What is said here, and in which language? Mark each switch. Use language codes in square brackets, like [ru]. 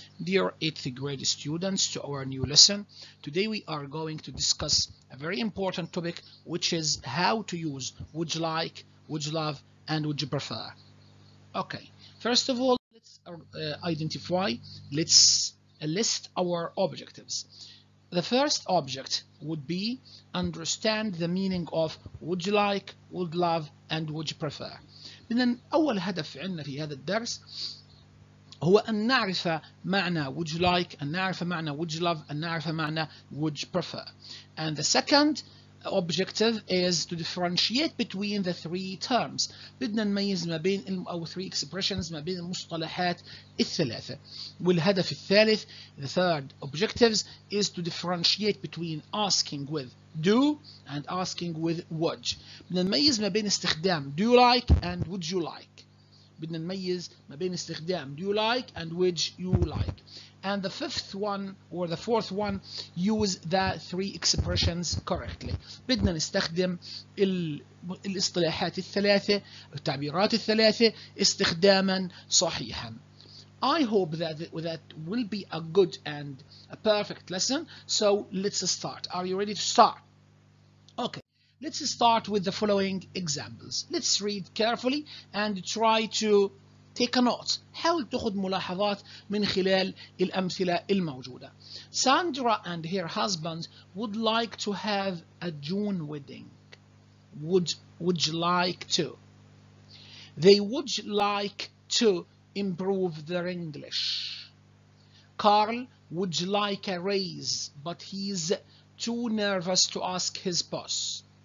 [en] Dear 8th grade students, to our new lesson. Today we are going to discuss a very important topic, which is how to use would you like, would you love, and would you prefer. Okay, first of all, let's identify, let's list our objectives. The first object would be understand the meaning of would you like, would love, and would you prefer. [ar] إذن أول هدف عندنا في هذا الدرس هو أن نعرف معنى [en] would you like, [ar] أن نعرف معنى [en] would you love, [ar] أن نعرف معنى [en] would you prefer. And the second objective is to differentiate between the three terms. [ar] بدنا نميز ما بين أو [en] three expressions [ar] ما بين المصطلحات الثلاثة. والهدف الثالث, [en] the third objectives, is to differentiate between asking with do and asking with would. [ar] بدنا نميز ما بين استخدام [en] do you like and would you like. [ar] بدنا نميز ما بين استخدام [en] do you like and would you like. And the fifth one or the fourth one, use the three expressions correctly. [ar] بدنا نستخدم الاصطلاحات الثلاثة التعبيرات الثلاثة استخداما صحيحا. [en] I hope that will be a good and a perfect lesson. So let's start. Are you ready to start? Okay, let's start with the following examples. Let's read carefully and try to take a note. [ar] حاول تأخذ ملاحظات من خلال الأمثلة الموجودة. [en] Sandra and her husband would like to have a June wedding. Would you like to? They would like to improve their English. Carl would like a raise, but he's too nervous to ask his boss.